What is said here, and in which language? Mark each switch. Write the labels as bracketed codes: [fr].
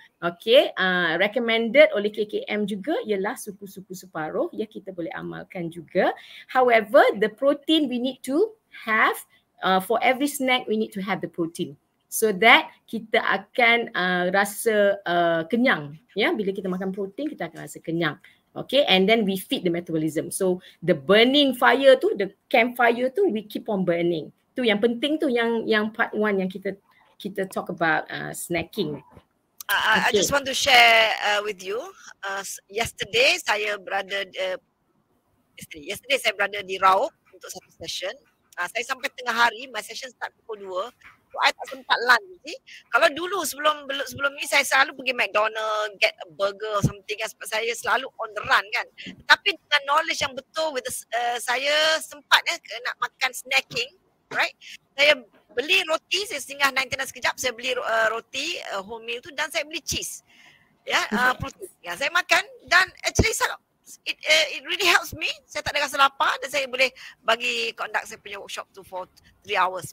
[ms] Okay, recommended oleh KKM juga ialah suku-suku separuh, ya, kita boleh amalkan juga. [en] However, the protein we need to have, for every snack we need to have the protein, so that [ms] kita akan rasa kenyang. Ya, bila kita makan protein, kita akan rasa kenyang. Okay, [en] and then we feed the metabolism. So the burning fire [ms] tu, [en] the campfire tu, we keep on burning. [ms] Tu yang penting tu, yang part one yang kita [en] talk about snacking. Okay. I just want to share with you. [ms] Yesterday saya berada di Raub untuk satu session. Saya sampai tengah hari, [en] my session start [ms] pukul 2. So I tak sempat lunch. Kalau dulu sebelum ni saya selalu pergi McDonald's, [en] get a burger or something, [ms] sebab saya selalu [en] on the run, [ms] kan. Tapi dengan knowledge yang betul with saya sempat, ya, nak makan snacking, right? Saya beli roti, saya singgah 99 sekejap, saya beli roti wholemeal tu dan saya beli cheese. Ya, protein. Ya, saya makan dan [en] actually it really helps me. [ms] Saya tak ada rasa lapar dan saya boleh bagi conduct saya punya workshop tu [en] for 3 hours.